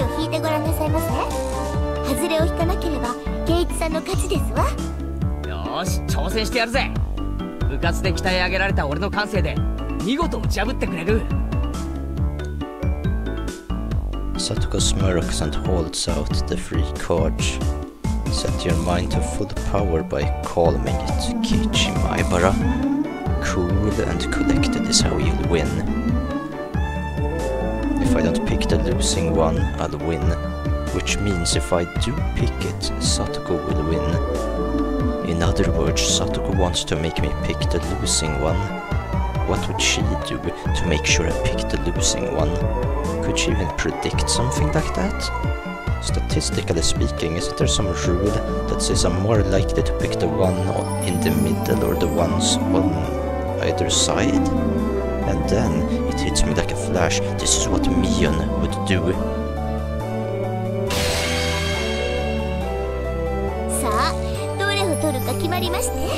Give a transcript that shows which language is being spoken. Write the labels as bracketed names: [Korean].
[Japanese] ハズレを引かなければケイチさんの勝ちですわ。よし、挑戦してやるぜ。部活で鍛え上げられた俺の感性で見事打ち破ってくれる。 [English] サトコ smirks and holds out the free card. Set your mind to full power by calming it Keiichi Maibara. Cool and collected is how you'll win. If I don't pick the losing one, I'll win. Which means if I do pick it, Satoko will win. In other words, Satoko wants to make me pick the losing one. What would she do to make sure I pick the losing one? Could she even predict something like that? Statistically speaking, isn't there some rule that says I'm more likely to pick the one in the middle or the ones on either side? And then, it hits me like a flash, this is what Mion would do. [Japanese] さあ、どれを取るか決まりまして。